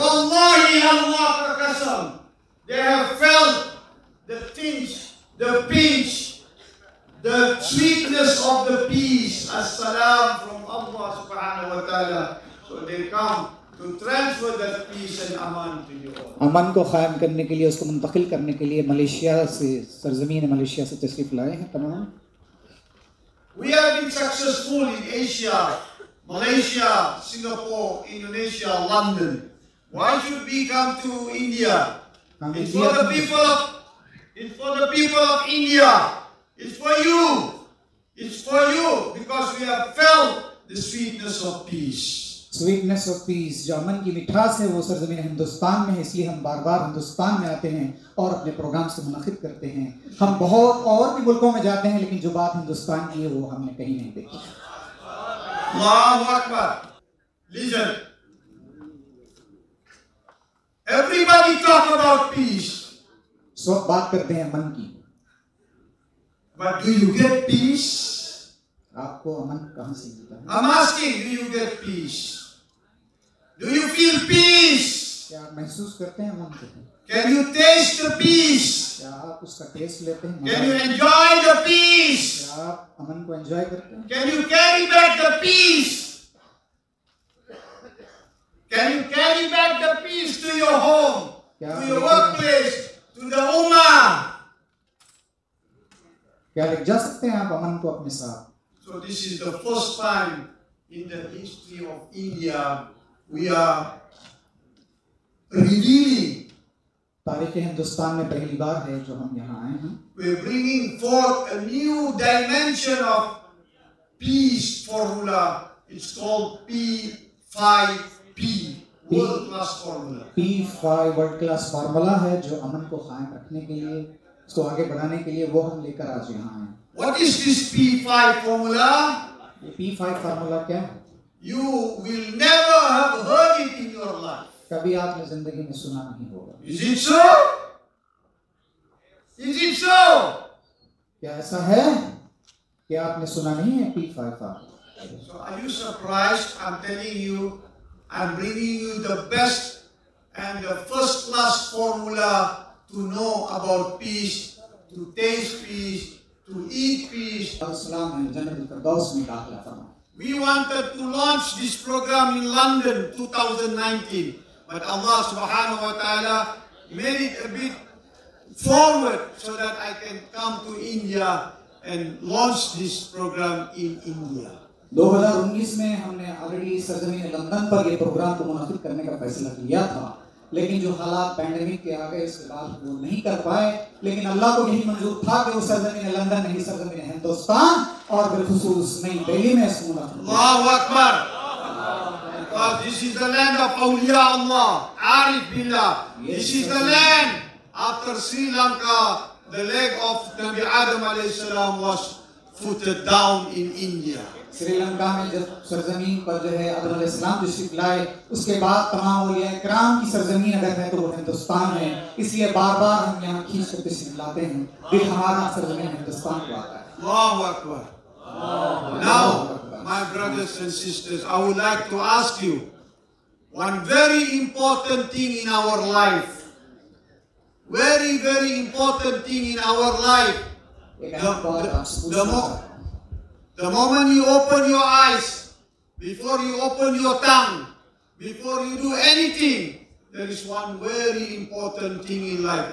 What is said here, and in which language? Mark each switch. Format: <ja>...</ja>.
<hi>वल्लाही अल्लाह का कसम,</hi> <en>They have felt the pinch, the pinch, the sweetness of the peace, अस्सलाम from अल्लाह सुब्हानहू व तआला, so they come to transfer the peace and अमन to you.</en> <hi>अमन को कायम करने के लिए, उसको मुंतकिल करने के लिए मलेशिया से, सरजमीन मलेशिया से तशरीफ लाए हैं तमाम।</hi> <en>We have been successful in Asia, Malaysia, Singapore, Indonesia, London. Why should we come to India? It's for the people of, it's for the people of India. It's for you. It's for you because we have felt the sweetness of peace. Sweetness of peace,</en> <hi>जो अमन की मिठास है वो सरजमीन हिंदुस्तान में है, इसलिए हम बार बार हिंदुस्तान में आते हैं और अपने प्रोग्राम से मुनाकिद करते हैं। हम बहुत और भी मुल्कों में जाते हैं लेकिन जो बात हिंदुस्तान की है वो हमने कहीं नहीं देखी।</hi> <ar>अल्लाहु अकबर।</ar> <en>listen, everybody talk about peace,</en> <hi>सो बात करते हैं अमन की।</hi> <en>But do you get peace?</en> <hi>आपको अमन कहाँ से मिलता</hi> <en>है? I'm asking, do you get peace? Do you feel peace?</en> <hi>क्या आप महसूस करते हैं अमन को?</hi> <en>Can you taste the peace?</en> <hi>क्या आप उसका टेस्ट लेते हैं?</hi> <en>Can you enjoy the peace?</en> <hi>क्या आप अमन को एंजॉय करते हैं?</hi> <en>Can you carry back the peace? Can you carry back the peace to your home, to your workplace, to the ummah?</en> <hi>क्या लिख जा सकते हैं आप अमन को अपने साथ?</hi> <en>So this is the first time in the history of India we are revealing.</en> <hi>तारीख़ हिंदुस्तान में पहली बार है जो हम यहाँ आए हैं.</hi> <en>We are bringing forth a new dimension of peace formula. It's called P5P.</en> <hi>P5 world class formula है जो अमन को कायम रखने के लिए, उसको आगे बढ़ाने के लिए वो हम लेकर आज यहाँ आए.</hi> <en>What is this P5 formula?</en> <hi>ये P5 फार्मूला क्या है?</hi> <en>You will never have heard it in your life.</en> <hi>कभी आपने जिंदगी में सुना नहीं होगा.</hi> <en>Is it so? Is it so?</en> <hi>क्या ऐसा है कि आपने सुना नहीं है P5 formula?</hi> <en>So are you surprised? I'm telling you, I'm bringing you the best and the first class formula to know about peace, to taste peace, to eat peace. Assalam and General Kardos me dakhla farma. We wanted to launch this program in London 2019, but Allah subhanahu wa ta'ala made it a bit forward so that I can come to India and launch this program in India.</en> <hi>2019 में हमने already सरजमीन London पर ये programme को मुनाकिद करने का फैसला किया था, लेकिन जो हालात पैंडेमिक के आ गए इसके बाद वो नहीं कर पाए, लेकिन अल्लाह को यही मंजूर था कि वो सरजमीन लंदन नहीं सरजमीन हिंदुस्तान और बिलखसूस नई दिल्ली में इसको मुनाकिद</hi> <en>किया.</en> <ar>अल्लाहु अकबर.</ar> <en>Because this is the land of awliya Allah, arif billah. This is the land after Sri Lanka, the leg of Nabi Adam alayhi salam was footed down in India.</en> <hi>Sri Lanka में जब सरजमीन पर जो है अदम अलैहिस्सलाम तशरीफ लाए, उसके बाद तमाम औलिया इकराम की सरजमीन अगर है तो वो हिंदुस्तान है. इसलिए बार बार हम यहाँ खींच कर तशरीफ लाते हैं, दिल हमारा सरजमीन हिंदुस्तान को आता है.</hi> <en>Now, my brothers and sisters, I would like to ask you one very important thing in our life. Very, very important thing in our life. The moment you open your eyes, before you open your tongue, before you do anything, there is one very important thing in life.</en>